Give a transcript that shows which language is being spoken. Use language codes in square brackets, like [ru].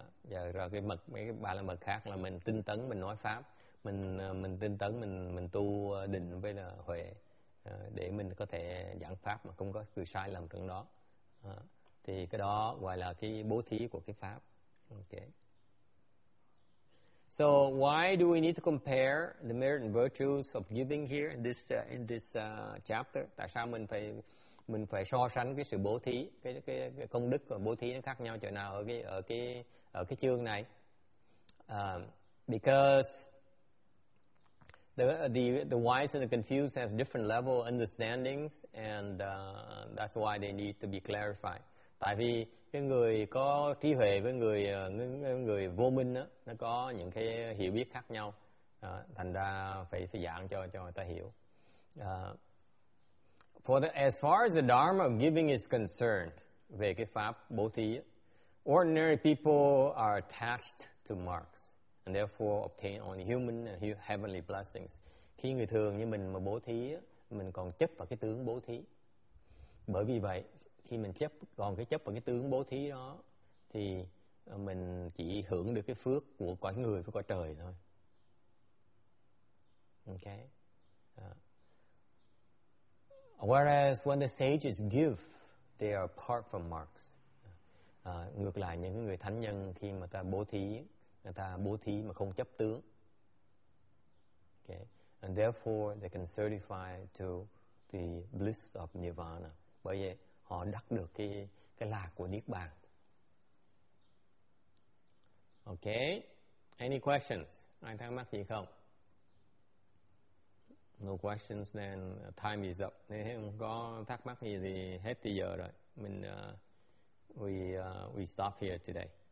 [vi] Rồi cái mật mấy cái ba la mật khác là mình tinh tấn mình nói pháp, mình tinh tấn mình tu định với là huệ để mình có thể giảng pháp mà không có sự sai lầm trong đó. Thì cái đó gọi là cái bố thí của cái pháp. [en] Okay. So why do we need to compare the merit and virtues of giving here in this chapter? [vi] Tại sao mình phải so sánh cái sự bố thí, cái công đức và bố thí nó khác nhau chỗ nào ở cái chương này? [en] Because the wise and the confused have different level understandings, and that's why they need to be clarified. [vi] Tại vì cái người có trí huệ với người vô minh đó, nó có những cái hiểu biết khác nhau. Thành ra phải giảng cho người ta hiểu. [en] As far as the Dharma of giving is concerned, [vi] về cái pháp bố thí, [en] ordinary people are attached to marks and therefore obtain only human and heavenly blessings. [vi] Khi người thường như mình mà bố thí, mình còn chấp vào cái tướng bố thí. Bởi vì vậy, khi mình chấp còn cái chấp và cái tướng bố thí đó thì mình chỉ hưởng được cái phước của cõi người với cõi trời thôi. [en] Okay. Whereas when the sages give, they are apart from marks. [vi] Ngược lại những người thánh nhân khi mà ta bố thí, người ta bố thí mà không chấp tướng. [en] Okay. And therefore they can certify to the bliss of nirvana. [vi] Bởi vậy họ đắc được cái lạc của Niết Bàn. [en] Ok. Any questions? [vi] Ai thắc mắc gì không? [en] No questions then. Time is up. [vi] Nếu không có thắc mắc gì thì hết thì giờ rồi. Mình [en] we stop here today.